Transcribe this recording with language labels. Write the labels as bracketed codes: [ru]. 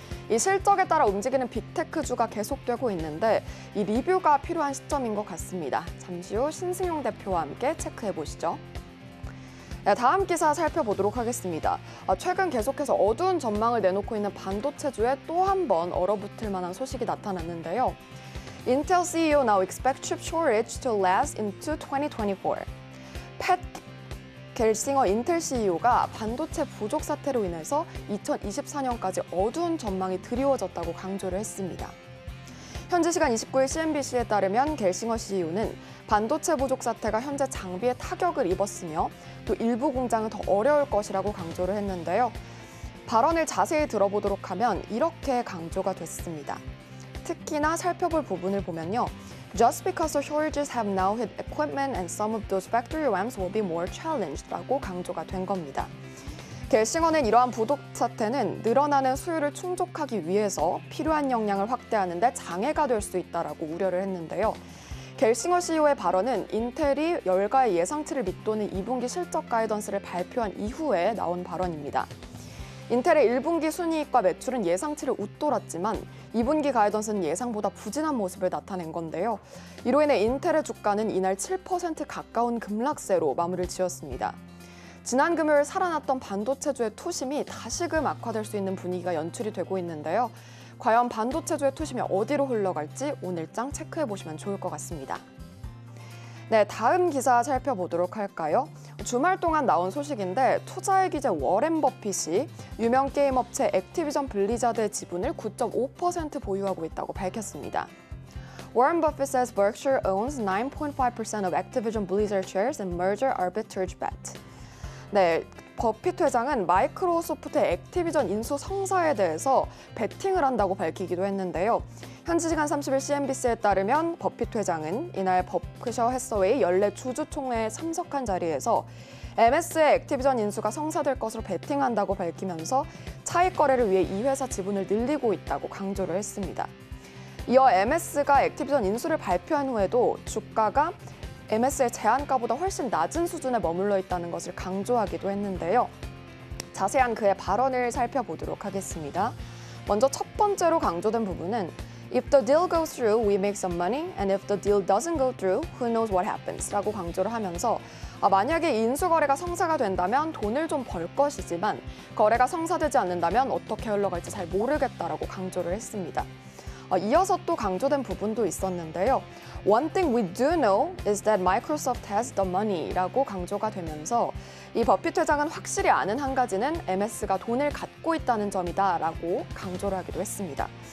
[ko] 이 실적에 따라 움직이는 빅테크주가 계속되고 있는데 이 리뷰가 필요한 시점인 것 같습니다. 잠시 후 신승용 대표와 함께 체크해보시죠. 네, 다음 기사 살펴보도록 하겠습니다. 최근 계속해서 어두운 전망을 내놓고 있는 반도체주에 또 한 번 얼어붙을 만한 소식이 나타났는데요. [en] Intel CEO now expects chip shortage to last into 2024. [ko] Pat Gelsinger 인텔 CEO가 반도체 부족 사태로 인해서 2024년까지 어두운 전망이 드리워졌다고 강조를 했습니다. 현재 시간 29일 CNBC에 따르면 겔싱어 CEO는 반도체 부족 사태가 현재 장비에 타격을 입었으며 또 일부 공장은 더 어려울 것이라고 강조를 했는데요. 발언을 자세히 들어보도록 하면 이렇게 강조가 됐습니다. 특히나 살펴볼 부분을 보면요. [en] Just because the shortages have now hit equipment and some of those factory ramps will be more challenged [ko] 라고 강조가 된 겁니다. 겔싱어는 이러한 부족 사태는 늘어나는 수요를 충족하기 위해서 필요한 역량을 확대하는 데 장애가 될 수 있다고 우려를 했는데요. 겔싱어 CEO의 발언은 인텔이 열가의 예상치를 밑도는 2분기 실적 가이던스를 발표한 이후에 나온 발언입니다. 인텔의 1분기 순이익과 매출은 예상치를 웃돌았지만 2분기 가이던스는 예상보다 부진한 모습을 나타낸 건데요. 이로 인해 인텔의 주가는 이날 7% 가까운 급락세로 마무리를 지었습니다. 지난 금요일 살아났던 반도체주의 투심이 다시금 악화될 수 있는 분위기가 연출이 되고 있는데요. 과연 반도체주의 투심이 어디로 흘러갈지 오늘장 체크해보시면 좋을 것 같습니다. 네, 다음 기사 살펴보도록 할까요? 주말 동안 나온 소식인데 투자의 기재 워렌 버핏이 유명 게임 업체 액티비전 블리자드의 지분을 9.5% 보유하고 있다고 밝혔습니다. [en] Warren Buffett says Berkshire owns 9.5% of Activision Blizzard shares in merger arbitrage bet. [ko] 네, 버핏 회장은 마이크로소프트의 액티비전 인수 성사에 대해서 베팅을 한다고 밝히기도 했는데요. 현지 시간 30일 CNBC에 따르면 버핏 회장은 이날 버크셔 해서웨이 연례 주주총회에 참석한 자리에서 MS의 액티비전 인수가 성사될 것으로 베팅한다고 밝히면서 차익 거래를 위해 이 회사 지분을 늘리고 있다고 강조를 했습니다. 이어 MS가 액티비전 인수를 발표한 후에도 주가가 MS의 제안가보다 훨씬 낮은 수준에 머물러 있다는 것을 강조하기도 했는데요. 자세한 그의 발언을 살펴보도록 하겠습니다. 먼저 첫 번째로 강조된 부분은 [en] If the deal goes through, we make some money, and if the deal doesn't go through, who knows what happens? [ko] 라고 강조를 하면서 만약에 인수 거래가 성사가 된다면 돈을 좀 벌 것이지만 거래가 성사되지 않는다면 어떻게 흘러갈지 잘 모르겠다라고 강조를 했습니다. 이어서 또 강조된 부분도 있었는데요. [en] One thing we do know is that Microsoft has the money [ko] 라고 강조가 되면서 이 버핏 회장은 확실히 아는 한 가지는 MS가 돈을 갖고 있다는 점이다라고 강조를 하기도 했습니다.